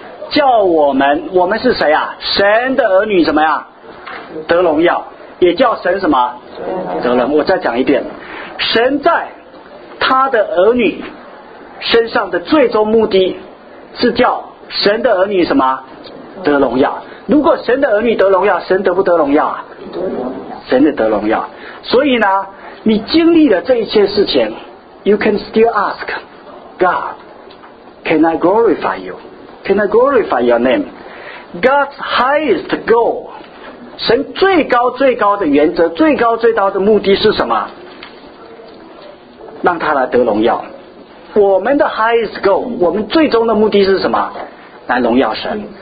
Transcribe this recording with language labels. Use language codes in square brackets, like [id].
[zh] 叫我们是谁啊？神的儿女怎么样？得荣耀。也叫神什么？得了，我再讲一遍，神在他的儿女身上的最终目的是叫神的儿女什么？得荣耀。如果神的儿女得荣耀，神得不得荣耀？神的得荣耀。所以呢，你经历了这一切事情， [en] You can still ask God, Can I glorify you? Can I glorify your name? God's highest goal, [zh] 神最高最高的原则，最高最高的目的是什么？让他来得荣耀。我们的 [en] highest goal, [zh] 我们最终的目的是什么？来荣耀神。